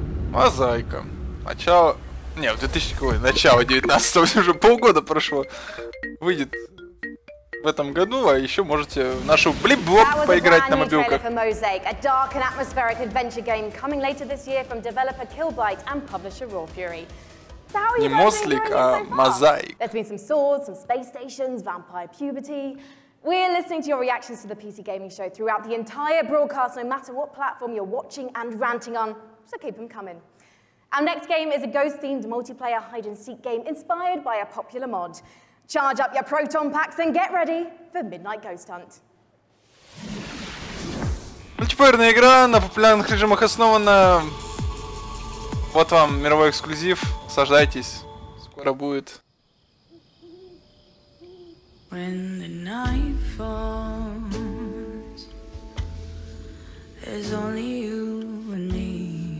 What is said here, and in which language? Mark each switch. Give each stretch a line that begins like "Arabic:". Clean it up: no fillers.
Russian: Мозаика. Начало... Не, в 2000... Ой, начало 19-го, уже полгода прошло. Выйдет... В этом году, а еще можете в нашу Blip-Blop поиграть на мобилках.
English: Mosaic, a dark and atmospheric adventure game coming later this year from developer Killbyte and publisher Raw Fury. So how are you doing?
Russian: А Mosaic.
English: There's been some swords, some space stations, vampire puberty. We're listening to your reactions to the PC Gaming Show throughout the entire broadcast, no matter what platform you're watching and ranting on. So keep them coming. Our next game is a ghost-themed multiplayer hide-and-seek game inspired by a popular mod. Charge up your proton packs and get ready for Midnight Ghost Hunt.
Russian: Мультиплеерная игра на популярных режимах основана. Вот вам мировой эксклюзив. Сажайтесь. Скоро будет.
English: When the night falls, there's only you and me.